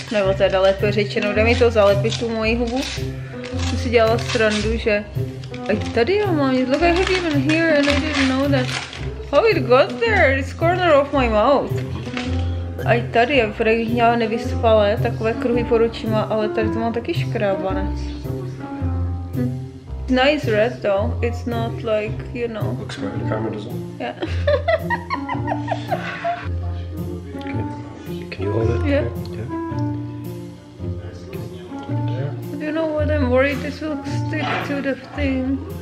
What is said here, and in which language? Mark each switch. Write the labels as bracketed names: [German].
[Czech] Nebo teda lépe řečeno, jde mi to zalepit tu moji hubu. Jsem si dělala srandu, že... A tady jo, mám jít. [English] Look, I have even here and I didn't know that. How it got there? It's corner of my mouth. [Czech] A tady, já bych měla nevyspalé, takové kruhy pod očima, ale tady to má taky škrábané. [English] Nice red though, it's not like, you know. Looks great, the camera doesn't. Yeah. Can you hold it? Yeah. You know what, I'm worried this will stick to the thing.